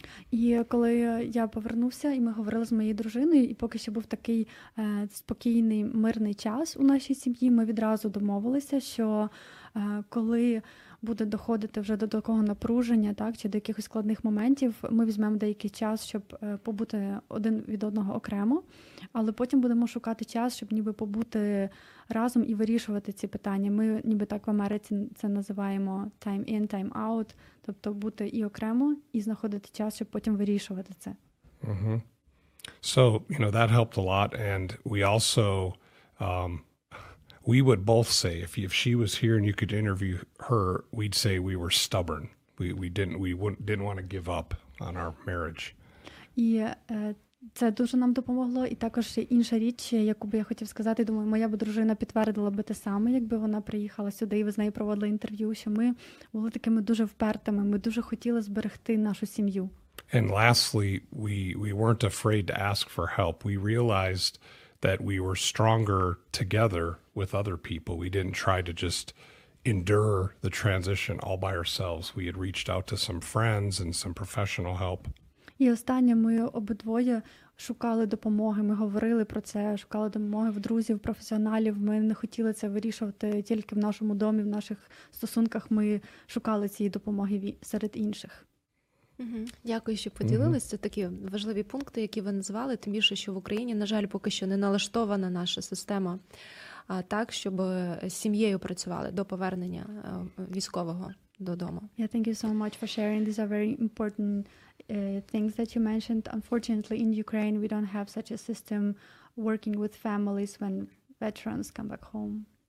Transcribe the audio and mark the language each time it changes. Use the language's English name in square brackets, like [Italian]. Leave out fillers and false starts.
[Ukrainian] І коли я повернувся, і ми говорили з моєю дружиною, і поки що був такий спокійний, мирний час у нашій сім'ї, ми відразу домовилися, що коли буде доходити вже до такого напруження, так, чи до якихось складних моментів, ми візьмемо деякий час, щоб побути один від одного окремо, але потім будемо шукати час, щоб ніби побути разом і вирішувати ці питання. Ми ніби так в Америці це називаємо [English] time in, time out, [Ukrainian] тобто бути і окремо, і знаходити час, щоб потім вирішувати це. Mm-hmm. [English] So, you know, that helped a lot, and we also we would both say, if she was here and you could interview her, we'd say we were stubborn. We didn't want to give up on our marriage. [Ukrainian] І це дуже нам допомогло. І також інша річ, яку би я хотів сказати, думаю, моя б дружина підтвердила би те саме, якби вона приїхала сюди і ви з нею проводили інтерв'ю, що ми були такими дуже впертими, ми дуже хотіли зберегти нашу сім'ю. [English] And lastly, we weren't afraid to ask for help. We realized that we were stronger together with other people. We didn't try to just endure the transition all by ourselves. We had reached out to some friends and some professional help. [Ukrainian] І останнє, ми обидвоє шукали допомоги, ми говорили про це, шукали допомоги в друзів, професіоналів. Ми не хотіли це вирішувати тільки в нашому домі, в наших стосунках. Ми шукали цієї допомоги серед інших. Угу. Дякую, що поділилися. Угу. Це такі важливі пункти, які ви назвали, тим більше, що в Україні, на жаль, поки що не налаштована наша система так, щоб з сім'єю працювали до повернення військового додому. [English] Yeah, thank you so much for sharing. These are very important things that you mentioned. Unfortunately, in Ukraine, we don't have such a system working with families when veterans come back home.